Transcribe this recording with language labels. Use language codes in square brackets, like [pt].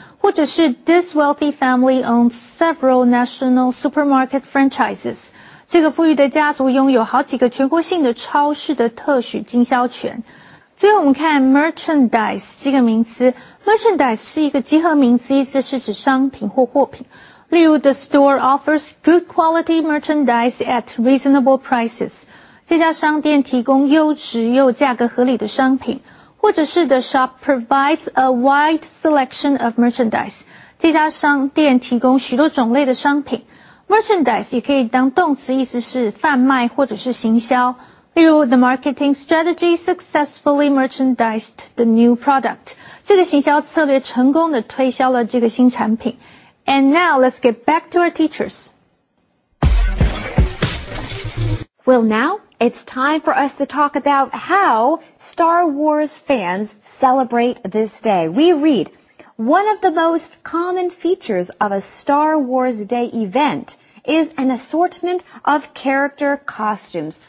[zh] 或者是 [en] ,this wealthy family owns several national supermarket franchises, [zh] 这个富裕的家族拥有好几个全国性的超市的特许经销权。最后我们看 merchandise 这个名词。Merchandise 是一个集合名词，意思是指商品或货品。例如 [en] ,the store offers good quality merchandise at reasonable prices. [zh] 这家商店提供优质又价格合理的商品。或者是 [en] ,the shop provides a wide selection of merchandise. [zh] 这家商店提供许多种类的商品。 Merchandise 也可以当动词，意思是贩卖或者是行销。例如 [en] ,the marketing strategy successfully merchandised the new product. [zh] 这个行销策略成功地推销了这个新产品。 [en] And now, let's get back to our teachers. Well, now, it's time for us to talk about how Star Wars fans celebrate this day. We read, one of the most common features of a Star Wars Day event is an assortment of character costumes.